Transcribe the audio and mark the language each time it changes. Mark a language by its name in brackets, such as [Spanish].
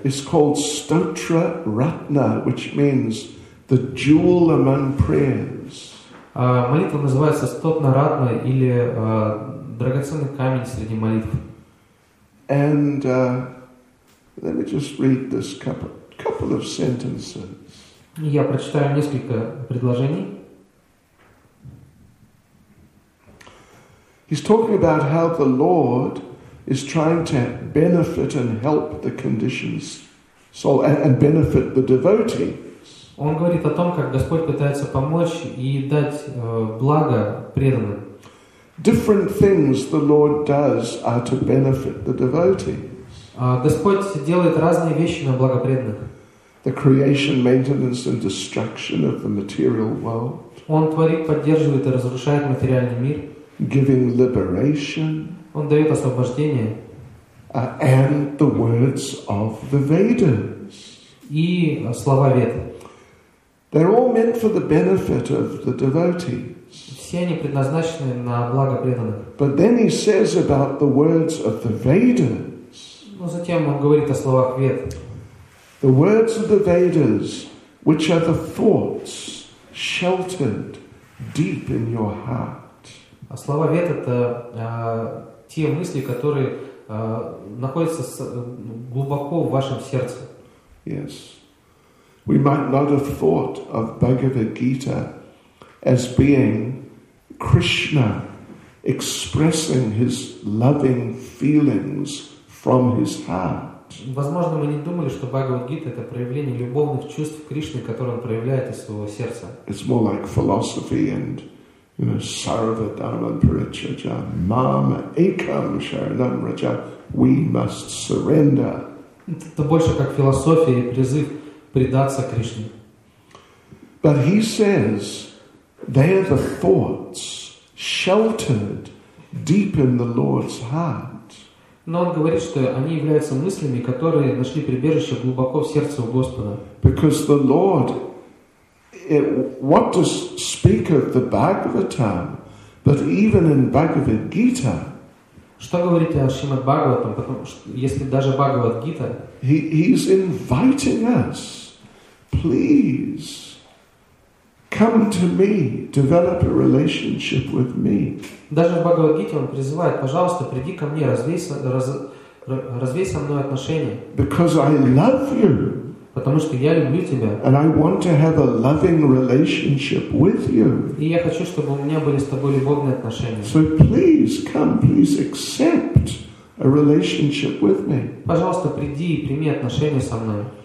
[English] It's called Stotra Ratna, which means the jewel among prayers. [Russian] Молитва называется Стотна Ратна или драгоценный камень среди молитв. [English] And Let me just read this couple of sentences. [Russian] Я прочитаю несколько предложений. [English] He's talking about how the Lord is trying to benefit and help the conditions, so and benefit the devotees. [Russian] Он говорит о том, как Господь пытается помочь и дать благо преданным. [English] Different things the Lord does are to benefit the devotees. [Russian] Господь делает разные вещи на благо преданных. [English] The creation, maintenance, and destruction of the material world. [Russian] Он творит, поддерживает и разрушает материальный мир. [English] Giving liberation. [Russian] Он дает освобождение. [English] And the words of the Vedas. [Russian] И слова Вед. [English] They're all meant for the benefit of the devotees. [Russian] Все они предназначены на благо преданных. [English] But then he says about the words of the Vedas. [Russian] Но затем он говорит о словах Вед. [English] The words of the Vedas, which are the thoughts sheltered deep in your heart. [Russian] А слова Вед — это те мысли, которые находятся глубоко в вашем сердце. [English] Yes. We might not have thought of Bhagavad Gita as being Krishna expressing his loving feelings from his heart. [Russian] Возможно, мы не думали, что Бхагавад-гита — это проявление любовных чувств Кришны, которые он проявляет из своего сердца. [English] It's more like philosophy and, you know, [Sanskrit] Sarvadharma Parichaya, Mam Ekam Sharanam Raja. [English] We must surrender. [Russian] Это больше как философия и призыв предаться Кришне. [English] But he says, they are the thoughts sheltered deep in the Lord's heart. [Russian] Но он говорит, что они являются мыслями, которые нашли прибежище глубоко в сердце у Господа. [English] Because the Lord, what to speak of the Bhagavatam, but even in Bhagavad Gita. [Russian] Что говорить о Шримад Бхагаватам, если даже Бхагавад Гита? [English] He's inviting us, please, come to me, develop a relationship with me. [Russian] Даже в Бхагавад-гите он призывает: пожалуйста, приди ко мне, развей со мной отношения. [English] Because I love you. [Russian] Потому что я люблю тебя. [English] And I want to have a loving relationship with you. [Russian] И я хочу, чтобы у меня были с тобой любовные отношения. [English] So please come, please accept a relationship with me. [Russian] Пожалуйста, приди и прими отношения со мной.